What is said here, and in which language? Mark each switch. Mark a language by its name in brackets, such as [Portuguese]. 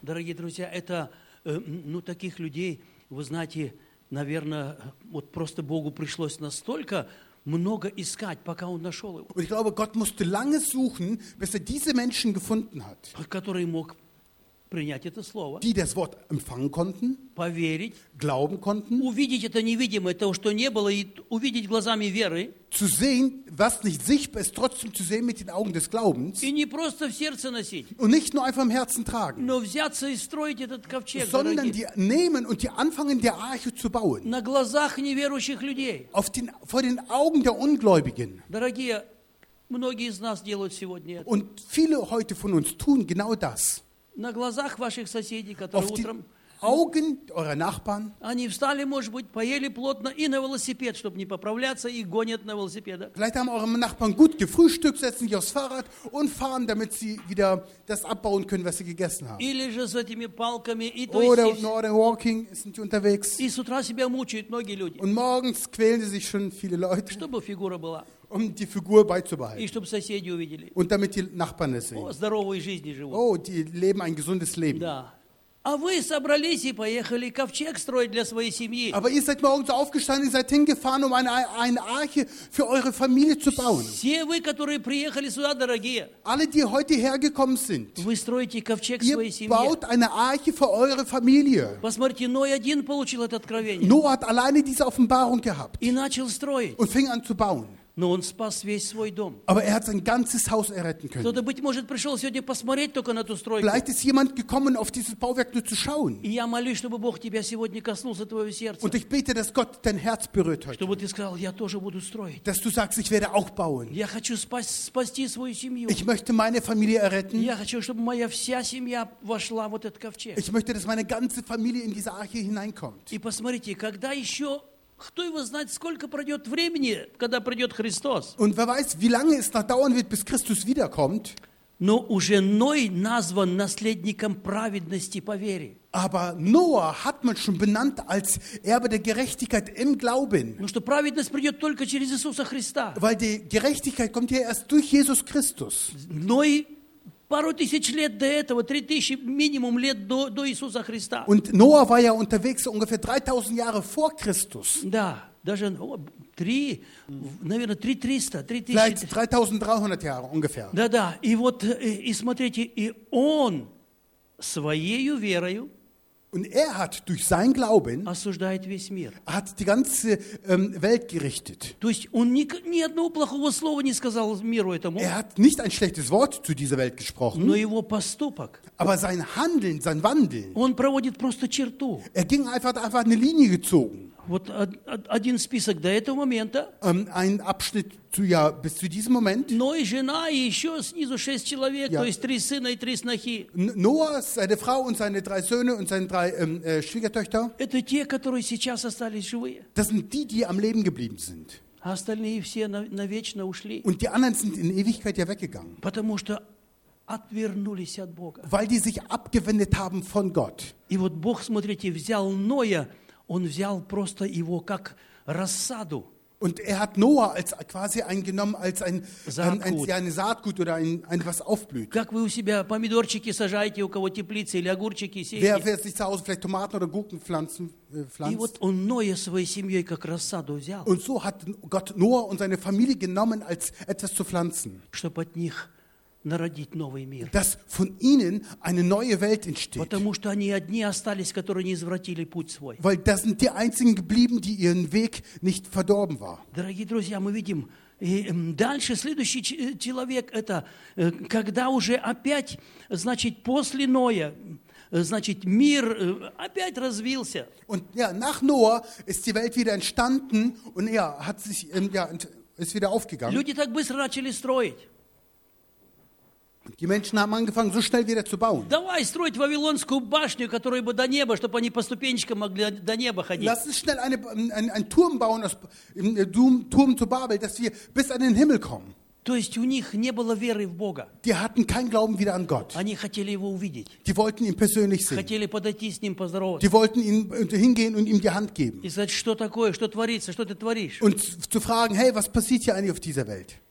[Russian] Дорогие друзья, это ну таких людей, вы знаете, наверное, вот просто Богу пришлось настолько много искать, пока он нашел его. [German] Und ich glaube, Gott musste lange suchen, bis er diese Menschen gefunden hat, [Russian] который мог принять это слово, [German] die das Wort empfangen konnten, [Russian] поверить, [German] glauben konnten, [Russian] увидеть это невидимое, то, что не было, и увидеть глазами веры, [German] zu sehen, was nicht sichtbar ist, trotzdem zu sehen mit den Augen des Glaubens, [Russian] и не просто в сердце носить, [German] und nicht nur einfach im Herzen tragen, [Russian] но взяться и строить этот ковчег, [German] sondern die nehmen und die anfangen, der Arche zu bauen, [Russian] на глазах неверующих людей, [German] auf den, vor den Augen der Ungläubigen. [Russian] Дорогие, многие из нас делают сегодня это. [German] Und viele heute von uns tun genau das. [Russian] На глазах ваших соседей, которые [German] auf [Russian] утром [German] Augen eurer Nachbarn, [Russian] они встали, может быть, поели плотно и на велосипед, чтобы не поправляться, и гонят на велосипеде. [German] Vielleicht haben eure Nachbarn gut gefrühstückt, setzen sich aufs Fahrrad und fahren, damit sie wieder das abbauen können, was sie gegessen haben. [Russian] Или же с этими палками и то [German] oder, [Russian] есть. [German] Oder no, walking sind sie unterwegs. [Russian] И с утра себя мучают многие люди. [German] Und morgens quälen sie sich schon viele Leute. [Russian] Чтобы фигура была. [German] Um die Figur beizubehalten. [Russian] И чтобы соседи увидели. [German] Und damit die Nachbarn es sehen. [Russian] О, здоровой жизни живут. [German] Oh, die leben ein gesundes Leben. [Russian] Да. А вы собрались и поехали ковчег строить для своей семьи. [German] Aber ihr seid morgens aufgestanden, ihr seid hingefahren, um eine Arche für eure Familie zu bauen. [Russian] Все вы, которые приехали сюда, дорогие. [German] Alle, die heute hergekommen sind. [Russian] Вы строите ковчег [German] ihr [Russian] своей семьи. [German] Baut eine Arche für eure Familie. [Russian] Посмотрите, Ной один получил это откровение. [German] Noah hat alleine diese Offenbarung gehabt. [Russian] И начал строить. [German] Und fing an zu bauen. [Russian] Но он спас весь свой дом. [German] Aber er hat sein ganzes Haus erretten können. [Russian] Кто-то, быть может, пришел сегодня посмотреть только на ту стройку. [German] Vielleicht ist jemand gekommen, auf dieses Bauwerk nur zu schauen. [Russian] И я молюсь, чтобы Бог тебя сегодня коснулся твоего сердца. [German] Und ich bete, dass Gott dein Herz berührt heute. [Russian] Чтобы ты сказал, я тоже буду строить. [German] Dass du sagst, ich werde auch bauen. [Russian] Я хочу спасти свою семью. [German] Ich möchte meine Familie erretten. [Russian] Я хочу, чтобы моя вся семья вошла в этот ковчег. [German] Ich möchte, dass meine ganze Familie in diese Arche hineinkommt. [Russian] И посмотрите, когда еще кто его знает, сколько пройдет времени, когда придет Христос? [German] Und wer weiß, wie lange es noch dauern wird, bis Christus wiederkommt? [Russian] Но уже Ной назван наследником праведности по вере. [German] Aber Noah hat man schon benannt als Erbe der Gerechtigkeit im Glauben. [Russian] Ну что праведность придет только через Иисуса Христа. [German] Weil die Gerechtigkeit kommt ja erst durch Jesus Christus. [Russian] Ной пару тысяч лет до этого, 3000 минимум лет до Иисуса Христа. [German] Und Noah war ja unterwegs ungefähr 3000 Jahre vor Christus. [Russian] Да, даже три, наверное, 3300, 3000. [German] Vielleicht 3300 Jahre ungefähr. [Russian] Да, да. И вот, и смотрите, и он своей верою [German] Und er hat durch sein Glauben hat die ganze Welt gerichtet. Er hat nicht ein schlechtes Wort zu dieser Welt gesprochen, aber sein Handeln, sein Wandeln, er ging einfach eine Linie gezogen. Ein Abschnitt zu, ja, bis zu diesem Moment. Noah, seine Frau und seine drei Söhne und seine drei Schwiegertöchter. Das sind die, die am Leben geblieben sind. Und die anderen sind in Ewigkeit ja weggegangen. Weil die sich abgewendet haben von Gott. Und [Russian] вот Бог, смотрите, взял Ноя. Он взял просто его как рассаду. [German] Und er hat Noah als quasi eingenommen als ein eine Saatgut oder ein was aufblüht. [Russian] Как вы у себя помидорчики сажаете, у кого теплицы или огурчики сеете? [German] Wer sich zu Hause vielleicht Tomaten oder Gurken pflanzen pflanzt. [Russian] И вот он Ноя своей семьей как рассаду взял. [German] Und so hat Gott Noah und seine Familie genommen als etwas zu pflanzen. [Russian] Чтоб от них народить новый мир. [German] Dass von ihnen eine neue Welt entsteht. [Russian] Потому что они одни остались, которые не извратили путь свой. [German] Weil das sind die einzigen geblieben, die ihren Weg nicht verdorben war. [Russian] Дорогие друзья, мы видим, и дальше следующий человек это когда уже опять, значит, после Ноя, значит, мир опять развился. [German] Und ja, nach Noah ist die Welt wieder entstanden und ja, hat sich ja ist wieder aufgegangen. [Russian] Люди так быстро начали строить. [German] Die Menschen haben angefangen, so schnell wieder zu bauen. [Russian] Давай строить Вавилонскую башню, которая бы до неба, чтобы они по ступенечкам могли до неба ходить. [German] Lass uns schnell einen Turm bauen, Turm zu Babel, dass wir bis an den Himmel kommen. [Russian] То есть у них не было веры в Бога. [German] Die hatten keinen Glauben wieder an Gott. [Russian] Они хотели его увидеть. [German] Die wollten ihn persönlich sehen. [Russian] Хотели подойти с ним поздороваться. [German] Die wollten ihn hingehen und ihm die Hand geben. [Russian] И сказать, что такое, что творится, что ты творишь. [German] Und zu fragen, hey, was passiert hier eigentlich auf dieser Welt?